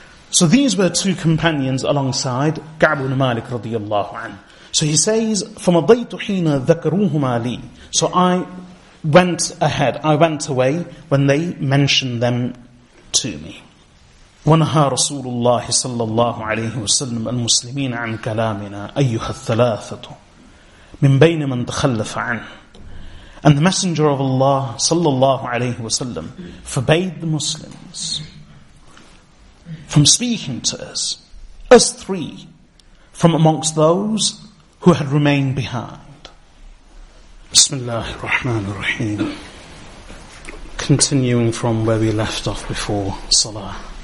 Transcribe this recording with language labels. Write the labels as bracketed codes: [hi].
[en] So these were two companions alongside Ka'b ibn Malik radiallahu anhu. So he says, [ar] فَمَضَيْتُ حِينَ ذَكَرُوهُمَا لِي. [en] So I went ahead, I went away when they mentioned them to me. [ar] ونهى رسول الله صلى الله عليه وسلم المسلمين عن كلامنا أيها الثلاثة من بين من تخلف عنه. [en] And the Messenger of Allah صلى الله عليه وسلم forbade the Muslims from speaking to us three, from amongst those who had remained behind. [ar] بسم الله الرحمن الرحيم. [en] Continuing from where we left off before Salah.